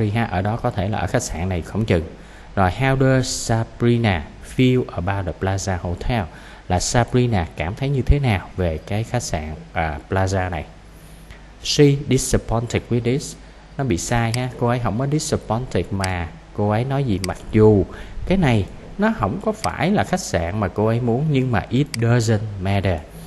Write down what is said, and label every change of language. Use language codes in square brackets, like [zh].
[vi] Ở đó có thể là ở khách sạn này không chừng. [en] Rồi, how does Sabrina feel about the Plaza Hotel? [vi] Là Sabrina cảm thấy như thế nào về cái khách sạn Plaza này? [en] She disappointed with this. [vi] Nó bị sai ha. Cô ấy không có disappointed mà cô ấy nói gì, mặc dù cái này nó không có phải là khách sạn mà cô ấy muốn, nhưng mà [en] it doesn't matter.